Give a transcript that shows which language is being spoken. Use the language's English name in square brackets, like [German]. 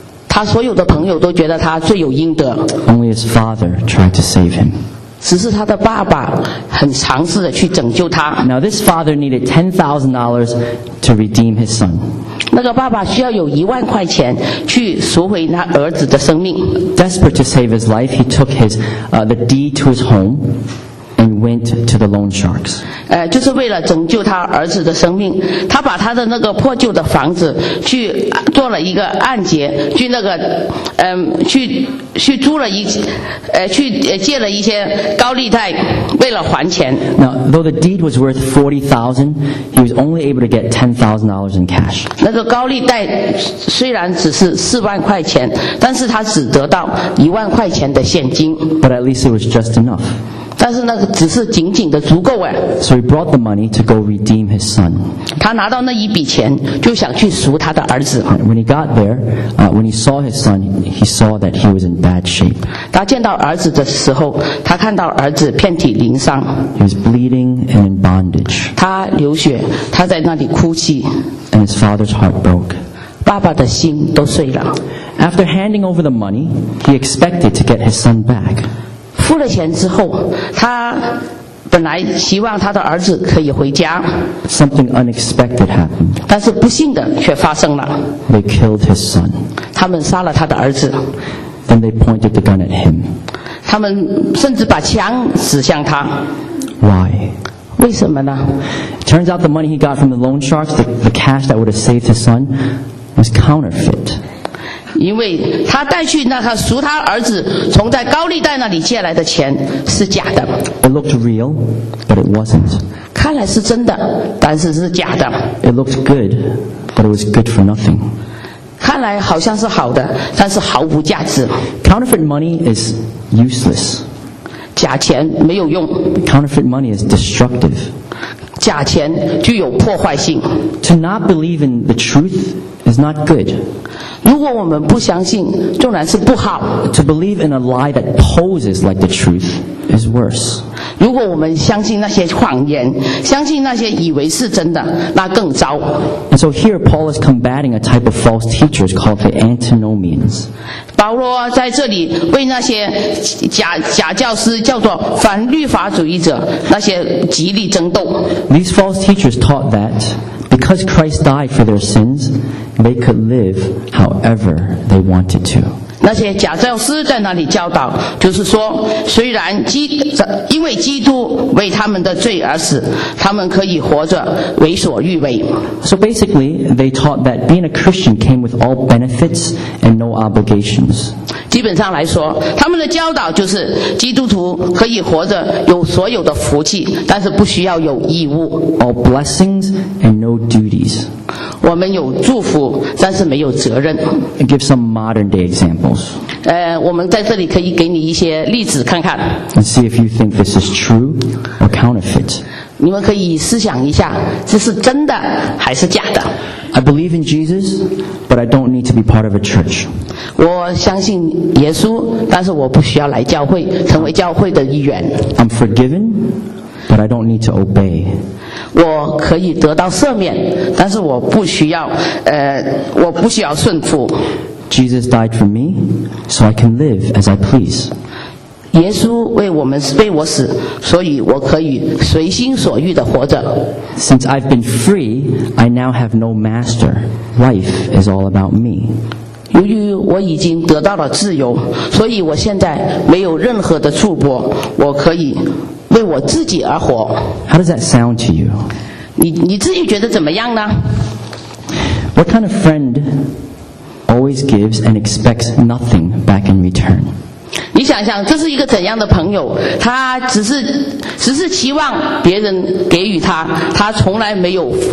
[Chinese] 他所有的朋友都觉得他罪有应得。 [English] Only his father tried to save him. [Chinese] 只是他的爸爸很尝试的去拯救他。 [English] Now this father needed $10,000 to redeem his son. [Chinese] 那个爸爸需要有10,000块钱去赎回他儿子的生命。 [English] Desperate to save his life, he took the deed to his home. And went to the loan sharks. [Chinese] 就是为了拯救他儿子的生命，他把他的那个破旧的房子去做了一个按揭，去那个，去租了一，去借了一些高利贷，为了还钱。 [English] Now, though the deed was worth $40,000, he was only able to get $10,000 in cash. [Chinese] 那个高利贷虽然只是40,000块钱，但是他只得到10,000块钱的现金。 [English] But at least it was just enough. [Chinese] 但是那个只是仅仅的足够哎。 [English] So he brought the money to go redeem his son. [Chinese] 他拿到那一笔钱，就想去赎他的儿子。 [English] When he got there, when he saw his son, he saw that he was in bad shape. [Chinese] 他见到儿子的时候，他看到儿子遍体鳞伤。 [English] He was bleeding and in bondage. [Chinese] 他流血，他在那里哭泣。 [English] And his father's heart broke. [Chinese] 爸爸的心都碎了。 [English] After handing over the money, he expected to get his son back. [Chinese] 付了钱之后，他本来希望他的儿子可以回家。 [English] Something unexpected happened. [Chinese] 但是不幸的却发生了。 [English] They killed his son. [Chinese] 他们杀了他的儿子。 [English] Then they pointed the gun at him. [Chinese] 他们甚至把枪指向他。 [English] Why? [Chinese] 为什么呢？ [English] Turns out the money he got from the loan sharks, the cash that would have saved his son, was counterfeit. [Chinese] 因为他带去那个赎他儿子从在高利贷那里借来的钱是假的。 [English] It looked real, but it wasn't. [Chinese] 看来是真的，但是是假的。 [English] It looked good, but it was good for nothing. [Chinese] 看来好像是好的，但是毫无价值。 [English] Counterfeit money is useless. [Chinese] 假钱没有用。 [English] Counterfeit money is destructive. [Chinese] 假钱具有破坏性。 [English] To not believe in the truth is not good. [Chinese] 如果我们不相信，纵然是不好。 [English] To believe in a lie that poses like the truth is worse. [Chinese] 如果我们相信那些谎言，相信那些以为是真的，那更糟。 [English] And so here Paul is combating a type of false teachers called the antinomians. [Chinese] 保罗在这里为那些 假教师叫做反律法主义者那些极力争斗。 [English] These false teachers taught that. Because Christ died for their sins, they could live however they wanted to. [Chinese] 那些假教师在那里教导，就是说，虽然因为基督为他们的罪而死，他们可以活着为所欲为。 [English] So basically, they taught that being a Christian came with all benefits and no obligations. [Chinese] 基本上来说，他们的教导就是基督徒可以活着有所有的福气，但是不需要有义务。 [English] All blessings and no duties. [Chinese] 我们有祝福，但是没有责任。 [English] And give some modern day examples. [Chinese] 我们在这里可以给你一些例子看看。 [English] And see if you think this is true or counterfeit. [Chinese] 你们可以思想一下，这是真的还是假的？ [English] I believe in Jesus, but I don't need to be part of a church. [Chinese] 我相信耶稣，但是我不需要来教会，成为教会的一员。 [English] I'm forgiven, but I don't need to obey. [Chinese] 我可以得到赦免，但是我不需要，我不需要顺服。 [English] Jesus died for me, so I can live as I please. [Chinese] 耶稣为我死，所以我可以随心所欲地活着。 [English] Since I've been free, I now have no master. Life is all about me. [Chinese] 由于我已经得到了自由，所以我现在没有任何的束缚，我可以为我自己而活。 [English] How does that sound to you? [Chinese] 你自己觉得怎么样呢？ [English] What kind of friend always gives and expects nothing back in return? [Chinese] 你想想，这是一个怎样的朋友？他只是期望别人给予他，他从来没有。